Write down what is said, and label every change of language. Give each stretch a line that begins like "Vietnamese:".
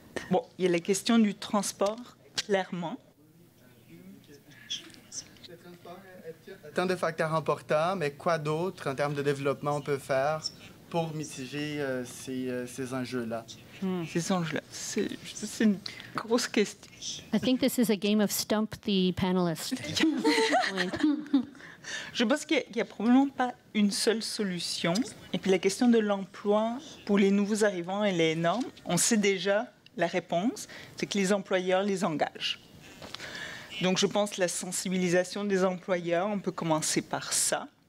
French: Bon, il y a la question du transport, clairement. Tant de facteurs importants, mais quoi d'autre en termes de développement on peut faire pour mitiger ces enjeux-là? Ces enjeux-là, c'est une grosse question.
English: I think this is a game of stump the panelist.
French: Je pense qu'il n'y a probablement pas une seule solution. Et puis la question de l'emploi pour les nouveaux arrivants, elle est énorme. On sait déjà la réponse, c'est que les employeurs les engagent. Donc, je pense que la sensibilisation des employeurs, on peut commencer par ça.